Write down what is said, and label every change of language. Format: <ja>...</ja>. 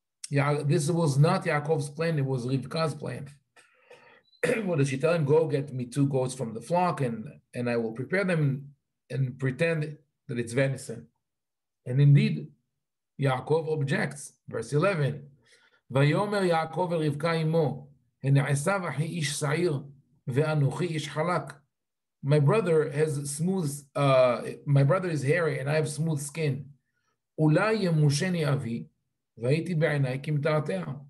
<en>Yeah, this was not Yaakov's plan, it was Rivka's plan. What does she tell him? Go get me two goats from the flock and I will prepare them and pretend that it's venison. And indeed, Yaakov objects. Verse 11,</en> <he>ויאמר יעקב לרבקה אמו, הנה עשיו אחי איש שעיר, ואנוכי איש חלק.</he> <en>My brother has smooth, my brother is hairy and I have smooth skin.</en> <he>אולי ימושני אבי, והייתי בעיניי כמתעתע.</he>